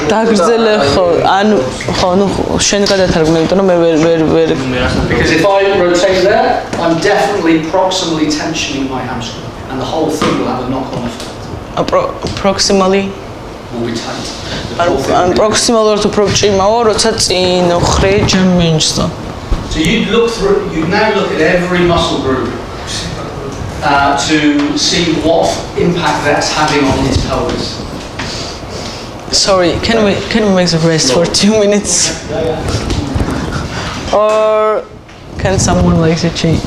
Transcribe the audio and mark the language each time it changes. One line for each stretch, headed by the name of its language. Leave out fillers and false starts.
Georgian: დაგრძელე ხო, ანუ ხო, ნუ შენ გადათარგმნე, იმიტომ რომ მე ვერ
English: Because if I rotate there, I'm definitely proximally tensioning my hamstring and the whole thing will have a knock-on effect. Proximally will be tight.
Georgian: ანუ პროქსიმალურად უფრო ჭიმაო, როცა წინ ხრე ჯმინჯს.
English: So you look through, you now look at every muscle group. To see what impact that's having on his pelvis. Sorry, can we make a rest for 2 minutes? Or can someone like to cheat?